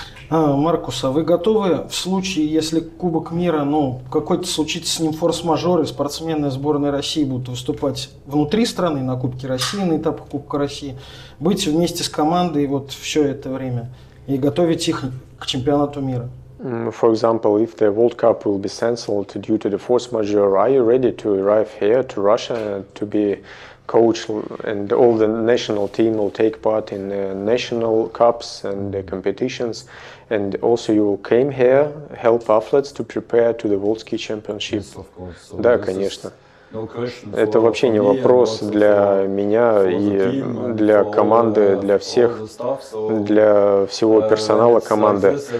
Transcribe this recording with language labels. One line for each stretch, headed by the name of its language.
Russian: Маркус, а вы готовы в случае, если Кубок мира, ну, какой-то случится с ним форс-мажор, и спортсмены сборной России будут выступать внутри страны на Кубке России, на этапах Кубка России, быть вместе с командой вот все это время и готовить их к чемпионату мира?
English: For example, if the World Cup will be cancelled due to the force majeure, are you ready to arrive here to Russia to be coach and all the national team will take part in the national cups and the competitions, and also you came here help athletes to prepare to the World Ski Championship? Yes, of course.
Russian: So да, конечно. Это вообще не вопрос для меня и для команды, для всех, для всего персонала команды.